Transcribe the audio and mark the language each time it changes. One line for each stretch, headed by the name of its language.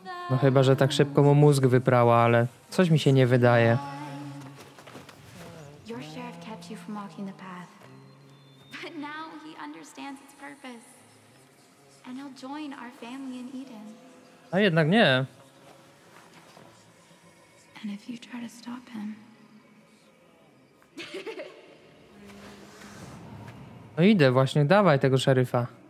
Polish: No chyba, że tak szybko mu mózg wyprała, ale coś mi się nie wydaje.
English: Your sheriff kept you from walking the path. But now he understands its purpose. And he'll join our family in Eden.
Polish: A jednak nie.
English: And if you try to stop him.
Polish: No idę właśnie, dawaj tego szeryfa.